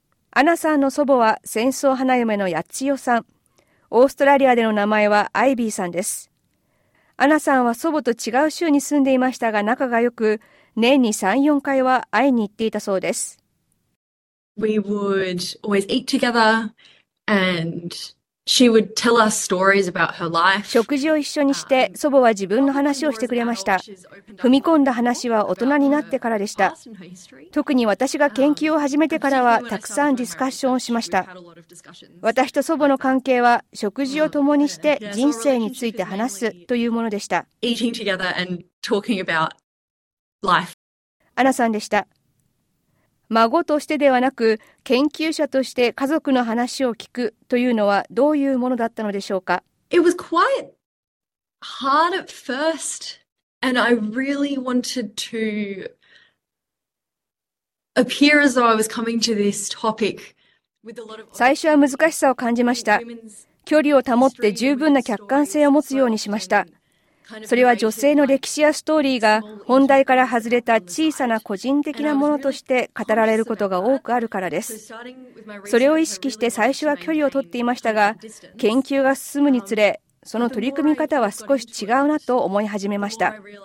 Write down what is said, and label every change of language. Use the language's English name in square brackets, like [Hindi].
[Japanese] アナさんの祖母は戦争花嫁の八千代さん、オーストラリアでの名前はアイビーさんです。アナさんは祖母と違う州に住んでいましたが、仲が良く、年に 3,4 回は会いに行っていたそうです。 [English] We would always eat together. And she would tell us stories about her life. [Japanese] 食事を一緒にして、祖母は自分の話をしてくれました。踏み込んだ話は大人になってからでした。特に私が研究を始めてからは、たくさんディスカッションをしました。私と祖母の関係は、食事を共にして人生について話すというものでした。 [English] Eating together and talking about life. [Japanese] アナさんでした。孫としてではなく研究者として家族の話を聞くというのはどういうものだったのでしょうか。 [English] It was quite hard at first and I really wanted to appear as though I was coming to this topic with a lot of [Japanese] 最初は難しさを感じました。距離を保って十分な客観性を持つようにしました。それは女性の歴史やストーリーが本題から外れた小さな個人的なものとして語られることが多くあるからです。それを意識して最初は距離を取っていましたが、研究が進むにつれその取り組み方は少し違うなと思い始めました。